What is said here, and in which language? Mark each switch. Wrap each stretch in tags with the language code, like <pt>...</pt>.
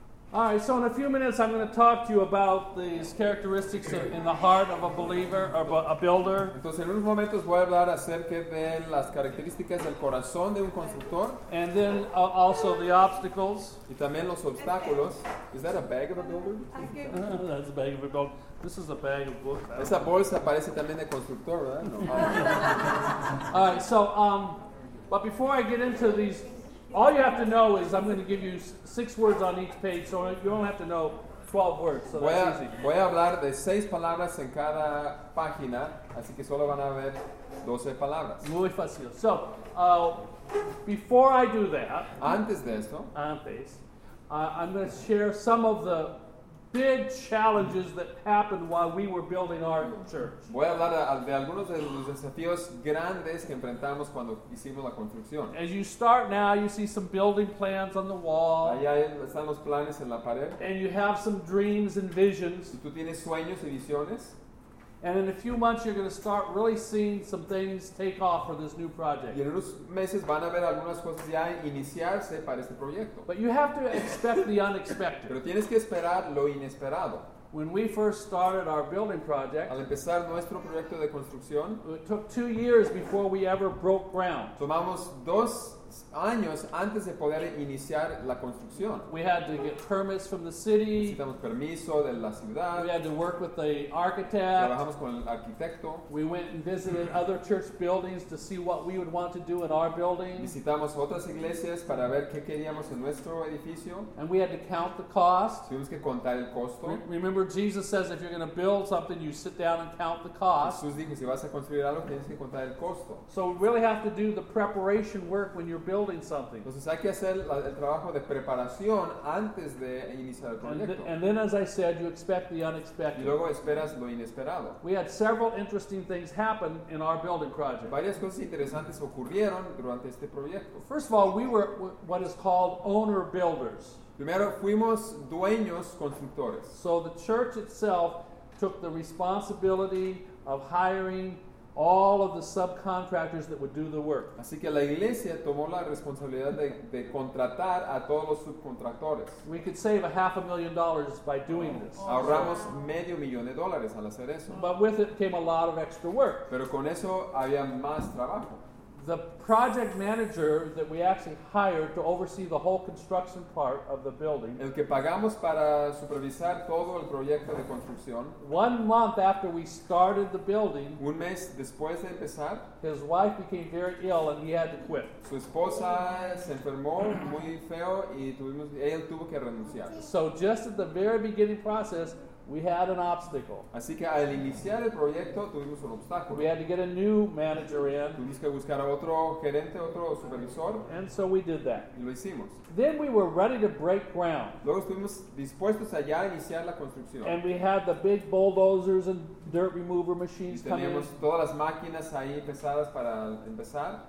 <en>All right, so in a few minutes, I'm going to talk to you about these characteristics in the heart of a believer, or a builder.</en> <es>Entonces, en unos momentos voy a hablar acerca de las características del corazón de un constructor.</es> <en>And then also the obstacles.</en> <es>Y también los obstáculos.</es> <en>Is that a bag of a builder? That's a bag of a builder. This is a bag of books.</en> <es>Esa bolsa parece también de constructor, ¿verdad? No.</es> <en>All right, so, but before I get into these, all you have to know is I'm going to give you 6 words on each page, so you only have to know 12 words, so that's easy.</en> <es>Voy a hablar de 6 palabras en cada página, así que solo van a haber 12 palabras. Muy fácil.</es> <en>So, before I do that, I'm going to share some of the big challenges that happened while we were building our church.</en> <es>Voy a hablar de algunos de los desafíos grandes que enfrentamos cuando hicimos la construcción.</es> <en>As you start now, you see some building plans on the wall.</en> <es>Allá están los planes en la pared.</es> <en>And you have some dreams and visions.</en> <es>Y tú tienes sueños y visiones.</es> <en>And in a few months, you're going to start really seeing some things take off for this new project.</en> <es>Y en unos meses van a ver algunas cosas ya iniciarse para este proyecto.</es> <en>But you have to expect the unexpected.</en> <es>Pero tienes que esperar lo inesperado.</es> <en>When we first started our building project,</en> <es>al empezar nuestro proyecto de construcción,</es> <en>it took 2 years before we ever broke ground.</en> <es>Tomamos dos años antes de poder iniciar la construcción.</es> <en>We had to get permits from the city.</en> <es>Necesitamos permiso de la ciudad.</es> <en>We had to work with the architect.</en> <es>Trabajamos con el arquitecto.</es> <en>We went and visited other church buildings to see what we would want to do in our building.</en> <es>Visitamos otras iglesias para ver qué queríamos en nuestro edificio.</es> <en>And we had to count the cost.</en> <es>Tuvimos que contar el costo.</es> <en>Remember, Jesus says if you're going to build something, you sit down and count the cost.</en> <es>Jesús dijo, si vas a construir algo, tienes que contar el costo.</es> <en>So we really have to do the preparation work when you're building something.</en> <es>Entonces hay que hacer el trabajo de preparación antes de iniciar el proyecto.</es> <en>And then, as I said, you expect the unexpected.</en> <es>Y luego esperas lo inesperado.</es> <en>We had several interesting things happen in our building project.</en> <es>Varias cosas interesantes ocurrieron durante este proyecto.</es> <en>First of all, we were what is called owner builders.</en> <es>Primero fuimos dueños constructores.</es> <en>So the church itself took the responsibility of hiring all of the subcontractors that would do the work.</en> <es>Así que la iglesia tomó la responsabilidad de contratar a todos los subcontractores.</es> <en>We could save $500,000 by doing this.</en> <es>Ahorramos medio millón de dólares al hacer eso.</es> <en>But with it came a lot of extra work.</en> <es>Pero con eso había más trabajo.</es> <en>The project manager that we actually hired to oversee the whole construction part of the building.</en> <es>El que pagamos para supervisar todo el proyecto de construcción.</es> <en>1 month after we started the building.</en> <es>Un mes después de empezar.</es> <en>His wife became very ill and he had to quit.</en> <es>Su esposa se enfermó muy feo y él tuvo que renunciar.</es> <en>So just at the very beginning process, we had an obstacle.</en> <es>Así que al iniciar el proyecto tuvimos un obstáculo.</es> <en>We had to get a new manager in.</en> <es>Tuvimos que buscar a otro gerente, otro supervisor.</es> <en>And so we did that.</en> <es>Y lo hicimos.</es> <en>Then we were ready to break ground.</en> <es>Luego estuvimos dispuestos a ya iniciar la construcción.</es> <en>And we had the big bulldozers and dirt remover machines coming.</en> <es>Y teníamos todas las máquinas ahí pesadas para empezar.</es>